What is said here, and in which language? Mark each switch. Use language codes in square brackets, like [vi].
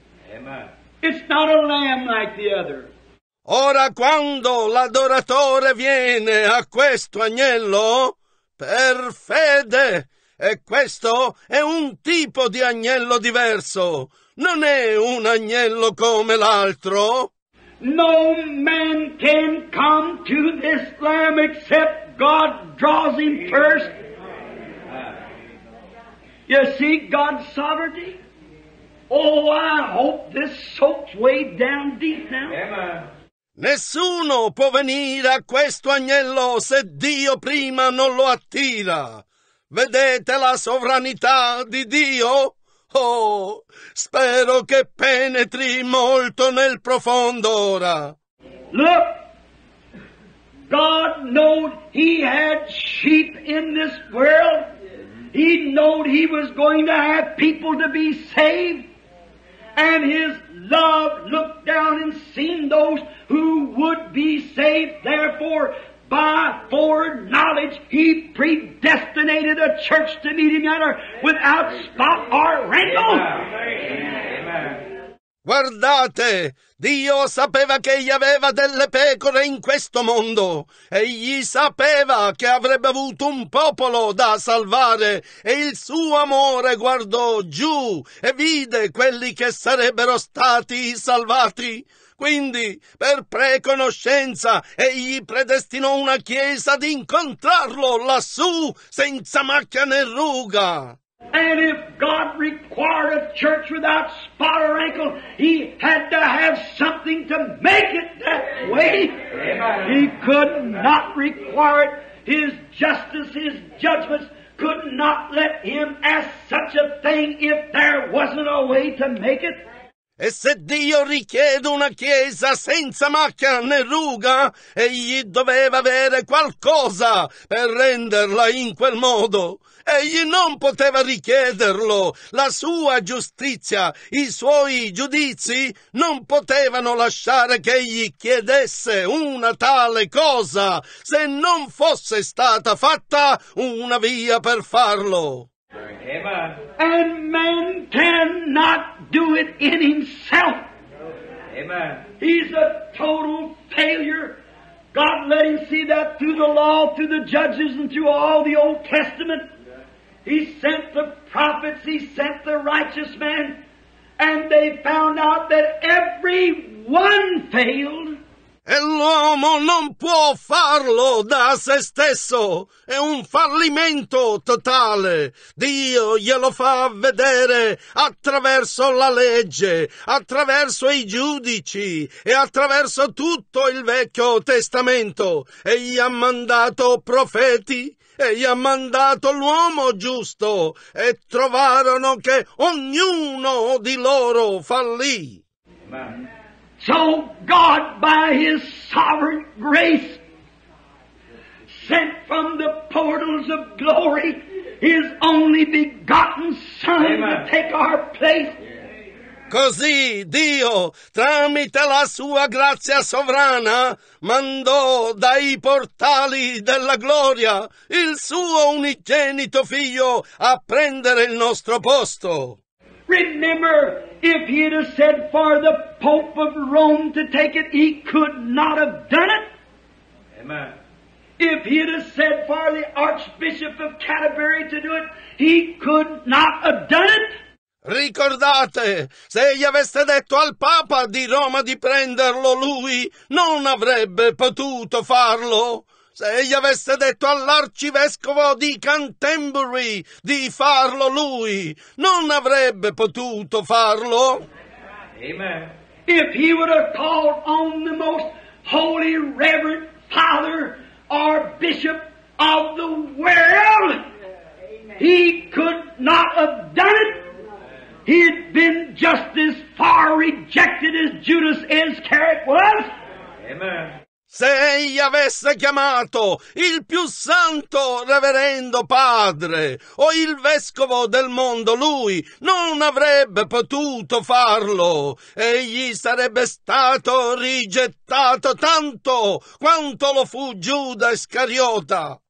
[en] Amen. It's not a lamb like the other. [it] Ora, quando l'adoratore viene a questo agnello, per fede, e questo è un tipo di agnello diverso, non è un agnello come l'altro. [en] No man can come to this lamb except God draws him first. You see God's sovereignty? Oh, I hope this soaks way down deep now. Amen. [it] Nessuno può venire a questo agnello se Dio prima non lo attira. Vedete la sovranità di Dio? Oh, spero che penetri molto nel profondo ora. [en] Look, God knowed he had sheep in this world. He knowed he was going to have people to be saved. And his love looked down and seen those who would be saved. Therefore, by foreknowledge, he predestinated a church to meet him at her without spot or wrinkle. Amen. [it] Guardate, Dio sapeva che egli aveva delle pecore in questo mondo. Egli sapeva che avrebbe avuto un popolo da salvare. E il suo amore guardò giù e vide quelli che sarebbero stati salvati. Quindi, per preconoscenza, egli predestinò una chiesa ad incontrarlo lassù, senza macchia né ruga. [en] And if God required a church without spot or wrinkle, he had to have something to make it that way. Amen. He could not require it. His justice, his judgments could not let him ask such a thing if there wasn't a way to make it. [it] E se Dio richiede una chiesa senza macchia né ruga, egli doveva avere qualcosa per renderla in quel modo. Egli non poteva richiederlo. La sua giustizia, i suoi giudizi, non potevano lasciare che egli chiedesse una tale cosa se non fosse stata fatta una via per farlo. [en] And man cannot do it in himself. Amen. He's a total failure. God let him see that through the law, through the judges, and through all the Old Testament. He sent the prophets, he sent the righteous man, and they found out that every one failed. [it] E l'uomo non può farlo da se stesso. È un fallimento totale. Dio glielo fa vedere attraverso la legge, attraverso i giudici e attraverso tutto il Vecchio Testamento. Egli ha mandato profeti, egli ha mandato l'uomo giusto e trovarono che ognuno di loro fallì. [en] Amen. So God, by his sovereign grace, sent from the portals of glory his only begotten Son. Amen. To take our place. [it] Così Dio, tramite la sua grazia sovrana, mandò dai portali della gloria il suo unigenito figlio a prendere il nostro posto. [en] Remember, if he had said for the Pope of Rome to take it, he could not have done it. Amen. If he had said for the Archbishop of Canterbury to do it, he could not have done it. [it] Ricordate, se egli avesse detto al Papa di Roma di prenderlo, lui non avrebbe potuto farlo. Se egli avesse detto all'arcivescovo di Canterbury di farlo, lui non avrebbe potuto farlo. [en] Amen. If he would have called on the most holy, reverend father or bishop of the world, he could not have done it. He'd been just as far rejected as Judas Iscariot was. Amen. [it] Se egli avesse chiamato il più santo reverendo padre o il vescovo del mondo, lui non avrebbe potuto farlo. Egli sarebbe stato rigettato tanto quanto lo fu Giuda Iscariota.